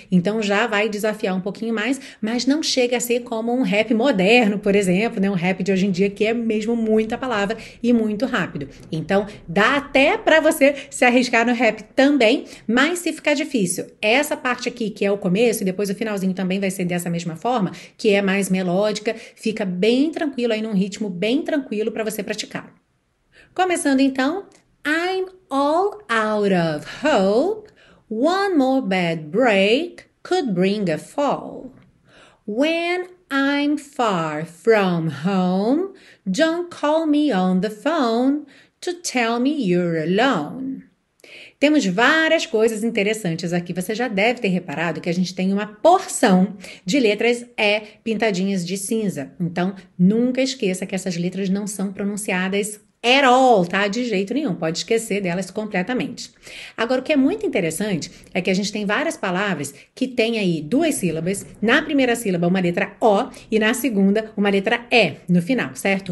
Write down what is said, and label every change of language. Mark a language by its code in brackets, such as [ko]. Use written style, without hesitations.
[pt] Então, já vai desafiar um pouquinho mais, mas não chega a ser como um rap moderno, por exemplo, né? Um rap de hoje em dia que é mesmo muita palavra e muito rápido. Então, dá até para você se arriscar no rap também, mas se ficar difícil, essa parte aqui que é o começo e depois o finalzinho também vai ser dessa mesma forma, que é mais melódica, fica bem tranquilo aí, num ritmo bem tranquilo para você praticar. Começando então, [en] I'm all out of hope, one more bad break could bring a fall. When I'm far from home, don't call me on the phone to tell me you're alone. [pt] Temos várias coisas interessantes aqui. Você já deve ter reparado que a gente tem uma porção de letras E pintadinhas de cinza. Então, nunca esqueça que essas letras não são pronunciadas [en] at all, [pt] tá? De jeito nenhum, pode esquecer delas completamente. Agora, o que é muito interessante é que a gente tem várias palavras que têm aí duas sílabas, na primeira sílaba uma letra O e na segunda uma letra E no final, certo?